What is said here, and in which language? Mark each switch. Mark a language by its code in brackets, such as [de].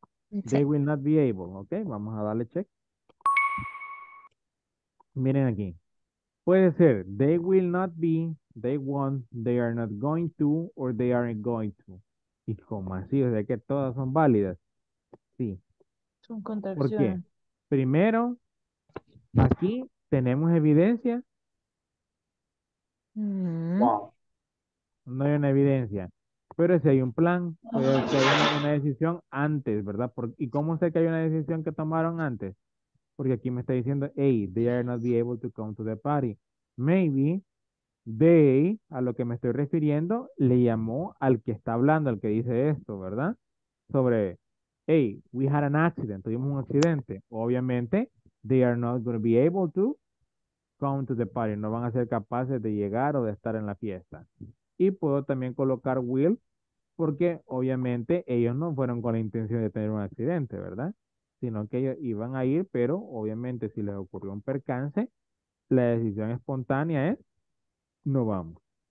[en] They will not be able. [es] Ok, vamos a darle check. Miren aquí. Puede ser, [en] they will not be, they won't, they are not going to, or they aren't going to. [es] Y como así, o sea que todas son válidas. Sí. Son ¿Por qué? contracciones. Primero, aquí tenemos evidencia. No hay una evidencia, pero si hay un plan, puede que haya una decisión antes, ¿verdad? ¿Y cómo sé que hay una decisión que tomaron antes? Porque aquí me está diciendo, hey, [en] they are not be able to come to the party. [es] Maybe they, a lo que me estoy refiriendo, le llamó al que está hablando, al que dice esto, ¿verdad? Sobre, hey, [en] we had an accident, [es] tuvimos un accidente. [en] Obviamente, they are not going to be able to come to the party. [es] No van a ser capaces de llegar o de estar en la fiesta. Y puedo también colocar will Porque obviamente ellos no fueron con la intención de tener un accidente, ¿verdad? Sino que ellos iban a ir, pero obviamente si les ocurrió un percance, la decisión espontánea es no vamos.